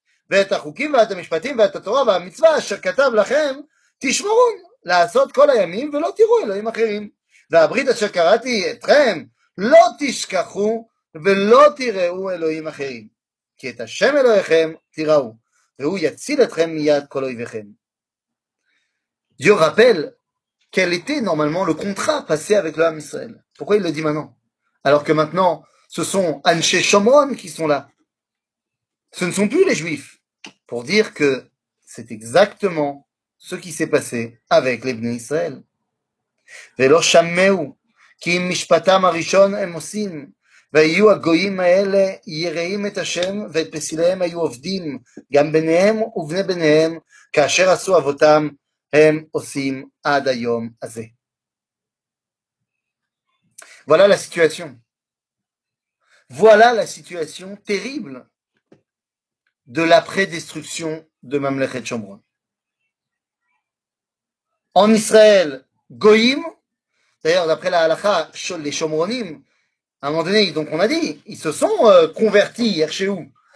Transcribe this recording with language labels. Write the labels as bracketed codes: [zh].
[he] ואת החוקים ואת המשפטים ואת התורה והמצווה אשר כתב לכם תשמרו לעשות כל הימים ולא תראו אלוהים אחרים והברית אשר קראתי אתכם לא תשכחו ולא תראו אלוהים אחרים כי את השם אלוהיכם תראו והוא יציל אתכם מיד כל אויביכם. [fr] Dieu rappelle quel était normalement le contrat passé avec le Ham Israël. Pourquoi il le dit maintenant? Alors que maintenant, ce sont Anshe Shomron qui sont là. Ce ne sont plus les Juifs. Pour dire que c'est exactement ce qui s'est passé avec les Bnei Israël. [he] Velo Shammeu, ki mishpatam arishon emosim. והיו הגויים האלה יראים את השם ואת פסיליהם היו עובדים גם ביניהם ובני ביניהם כאשר עשו אבותם הם עושים עד היום הזה. [fr] Voilà la situation. Voilà la situation terrible de l'après-destruction de ממלכת שומרון. En Israël, goyim, d'ailleurs d'après la halakha, les shomronim, à un moment donné, donc on a dit, ils se sont convertis hier chez vous.